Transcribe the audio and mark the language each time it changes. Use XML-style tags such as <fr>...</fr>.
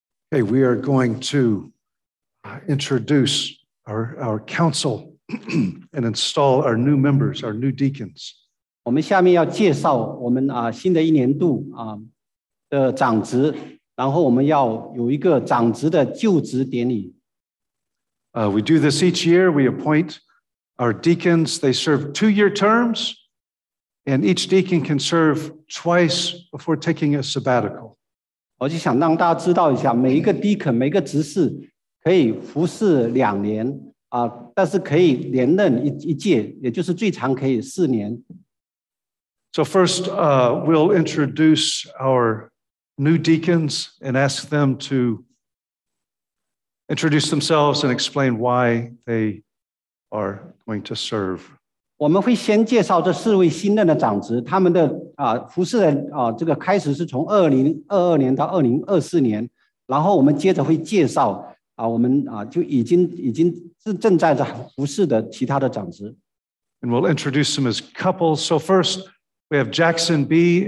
<en>Okay, we are going to introduce our council and install our new members, our new deacons.</en> <zh>我们下面要介绍我们新的一年度的长职，然后我们要有一个长职的就职典礼。</zh> <en>We do this each year. We appoint our deacons. They serve two-year terms, and each deacon can serve twice before taking a sabbatical.</en> <zh>我就想让大家知道一下，每一个 deacon 每一个执事可以服侍两年但是可以连任一届，也就是最长可以四年。</zh> <en>So first, we'll introduce our new deacons and ask them to introduce themselves and explain why they are going to serve.</en> <zh>我们会先介绍这四位新任的长职，他们的服侍的这个开始是从2022年到2024年，然后我们接着会介绍我们就已经正在服侍的其他的长职。</zh> <en>And we'll introduce them as couples. So first, we have Jackson B.</en>